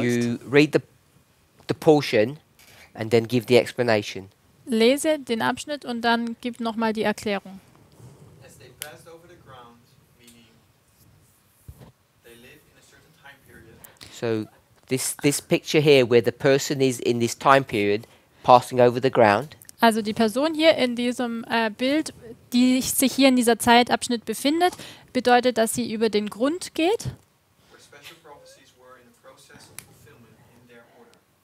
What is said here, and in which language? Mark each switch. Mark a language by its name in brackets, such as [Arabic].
[English] If you read the portion and then give the explanation. [German] Lese den Abschnitt und dann gib nochmal die Erklärung. [English] As they passed over the ground, meaning they live in a certain time period. So this picture here where the person is in this time period passing over the ground. [German] Also die Person hier in diesem Bild, die sich hier in dieser Zeitabschnitt befindet, bedeutet, dass sie über den Grund geht. [English] Where special prophecies were in the process of fulfillment in their order.